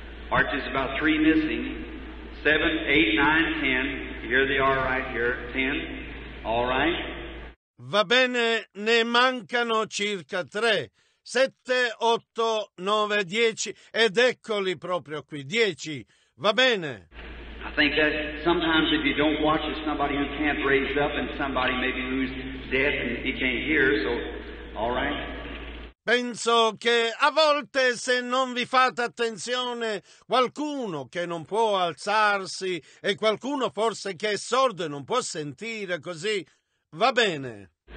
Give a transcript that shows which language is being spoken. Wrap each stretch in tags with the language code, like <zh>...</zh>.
<en>Arch is about 3 missing. 7, 8, 9, 10. Here they are right here. 10. All right.</en> <it>Va bene, ne mancano circa 3, 7, 8, 9, 10, ed eccoli proprio qui, 10, va bene.</it> <en>I think that sometimes if you don't watch it, somebody who can't raise up and somebody maybe who's deaf and he can't hear, so, all right.</en> <it>Penso che a volte se non vi fate attenzione, qualcuno che non può alzarsi e qualcuno forse che è sordo e non può sentire così, va bene.</it>